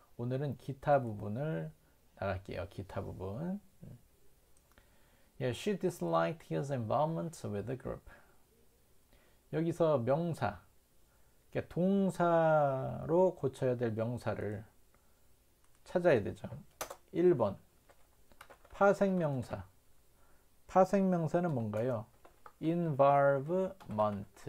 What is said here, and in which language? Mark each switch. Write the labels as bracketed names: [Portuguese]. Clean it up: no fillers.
[Korean] 오늘은 기타 부분을 나갈게요. 기타 부분. [English] Yeah, she disliked his involvement with the group. [Korean] 여기서 명사, 그러니까 동사로 고쳐야 될 명사를 찾아야 되죠. 1번, 파생명사. 파생명사는 뭔가요? [English] Involvement.